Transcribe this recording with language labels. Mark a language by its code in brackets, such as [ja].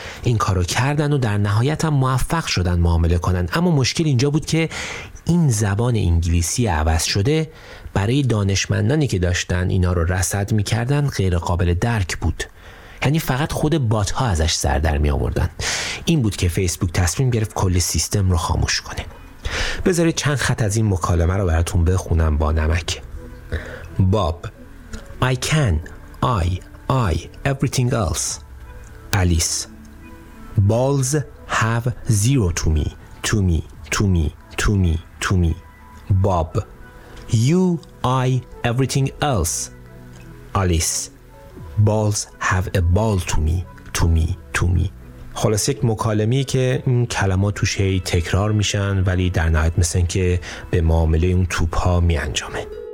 [fa] این کارو کردن و در نهایت هم موفق شدن معامله کنن، اما مشکل اینجا بود که این زبان انگلیسی عوض شده برای دانشمندانی که داشتن اینا رو رصد می‌کردن غیر قابل درک بود. یعنی فقط خود بات‌ها ازش سر در می‌آوردن. این بود که فیسبوک تصمیم گرفت کل سیستم رو خاموش کنه. بذارید چند خط از این مکالمه رو براتون بخونم با نمک. [en] Bob: I can, I, everything else. Alice: Balls have zero to me, to me, to me, to me, to me. Bob: You, I, everything else. Alice: Balls have a ball to me, to me, to me. [fa] خلاص یک مکالمه‌ای که این کلمات توش هی تکرار میشن، ولی در نهایت مثل این که به معامله اون توپ ها میانجامه.